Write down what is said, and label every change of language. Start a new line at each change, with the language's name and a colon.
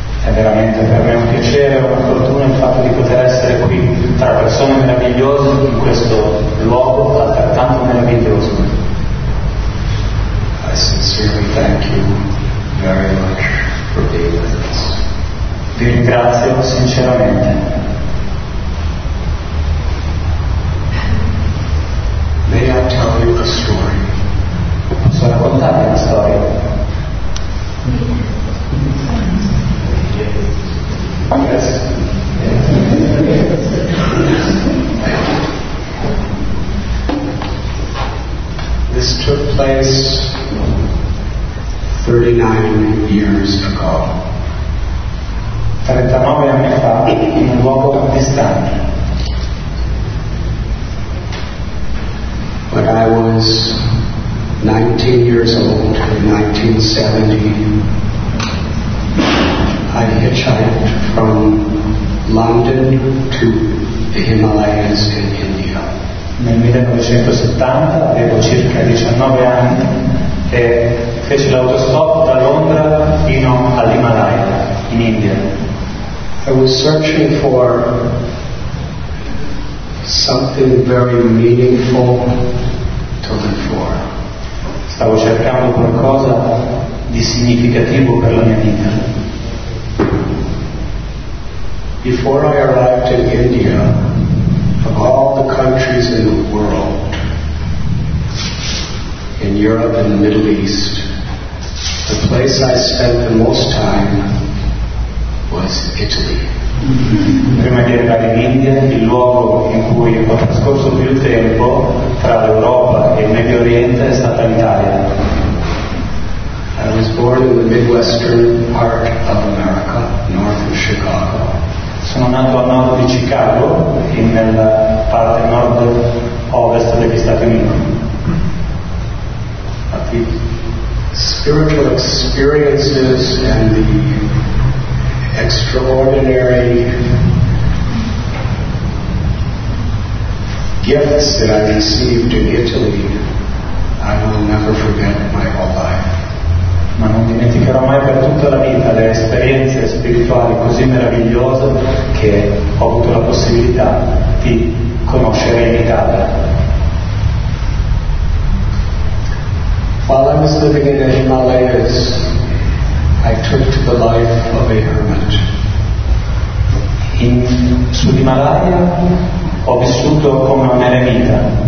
Italian: È veramente per me un piacere e una fortuna il fatto di poter essere qui tra persone meravigliose in questo luogo altrettanto meraviglioso.
English: I sincerely thank you very much for being with us.
Italian: Vi ringrazio sinceramente.
English: May I tell you a story?
Italian: Posso raccontarvi una storia?
English: Yes. This took place 39 years ago.
Italian: 39 anni fa, in un luogo distante.
English: When I was 19 years old in 1970, I hitchhiked from London to the Himalayas in India.
Italian: Nel 1970 avevo circa 19 anni e feci l'autostop da Londra fino all'Himalaya in India.
English: I was searching for something very meaningful to live for.
Italian: Stavo cercando qualcosa di significativo per la mia vita.
English: Before I arrived in India, of all the countries in the world, in Europe and the Middle East, the place I spent the most time was Italy.
Italian: Prima di arrivare in India, il luogo in cui ho trascorso più tempo tra l'Europa e il Medio Oriente è stata l'Italia.
English: I was born in the Midwestern part of America, north of Chicago.
Italian: Sono nato a nord di Chicago, nella parte nord ovest degli Stati Uniti.
English: But the spiritual experiences and the extraordinary gifts that I received in Italy, I will never forget my whole life.
Italian: Ma non dimenticherò mai per tutta la vita le esperienze spirituali così meravigliose che ho avuto la possibilità di conoscere in Italia.
English: While I was living in the Himalayas, I took to the life of a hermit.
Italian: In sull'Himalaya ho vissuto come un eremita.